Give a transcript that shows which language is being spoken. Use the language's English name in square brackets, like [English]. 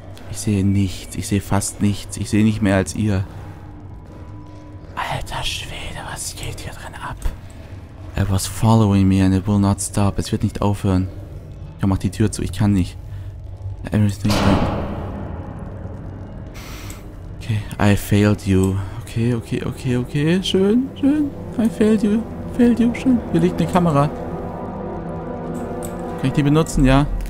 [German] Ich sehe nichts, ich sehe fast nichts, ich sehe nicht mehr als ihr. Alter Schwede, was geht hier drin ab? [English] It was following me and it will not stop. [German] Es wird nicht aufhören. Ich mach die Tür zu, ich kann nicht. [English] Everything. Okay, I failed you. Okay, okay, okay, okay, schön, schön. I failed you. Failed you, schön. [German] Hier liegt eine Kamera. Kann ich die benutzen, ja?